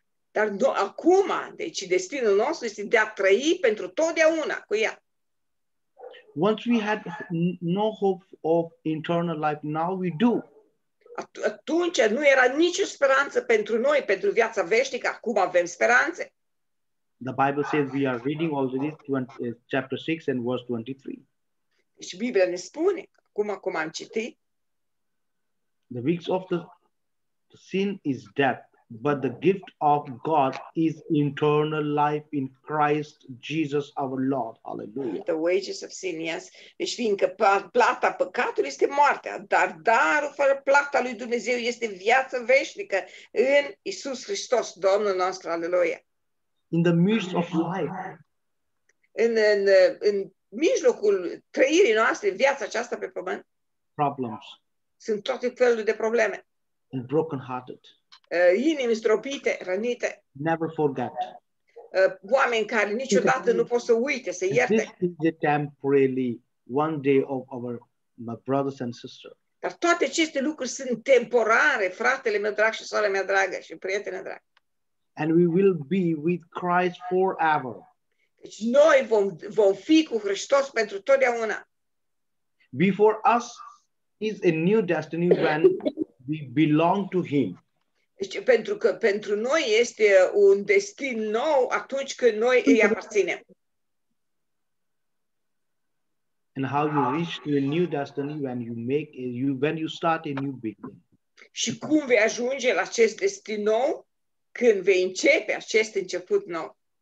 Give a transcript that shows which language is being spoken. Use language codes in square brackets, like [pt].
[ro] Dar acum, deci destinul nostru este de a trăi pentru totdeauna cu ea. [en] Once we had no hope of eternal life, now we do. [ro] Atunci nu era nicio speranță pentru noi, pentru viața veșnică, acum avem speranțe. [en] The Bible says we are reading already chapter 6 and verse 23. [ro] Deci Biblia ne spune, cum am citit. [en] The weeks of the sin is death, But the gift of God is eternal life in Christ Jesus our Lord. Hallelujah. The wages of sin, yes. [ro] Deci fiindcă plata păcatului este moartea, dar darul fără plata lui Dumnezeu este viață veșnică în Iisus Hristos, Domnul nostru. [en] Hallelujah. In the midst of life. [ro] În mijlocul trăirii noastre, viața aceasta pe pământ. [en] Problems. [ro] Sunt tot felul de probleme. [en] And broken hearted. [ro] Inimi stropite, rănite. [en] Never forget. [ro] Oameni care niciodată nu pot să uite, să ierte. [en] This is a temporary one day of my brothers and sisters. [ro] Dar toate aceste lucruri sunt temporare, fratele meu drag și soarele mea dragă și prietene drag. [en] And we will be with Christ forever. [ro] Deci noi vom fi cu Hristos pentru totdeauna. [en] Before us is a new destiny when we belong to Him. [ro] Deci, pentru că pentru noi este un destin nou atunci când noi îi aparținem. [en] And how you reach to a new destiny when you make when you start a new beginning. [ro] Și cum vei ajunge la acest destin nou când vei începe acest început nou.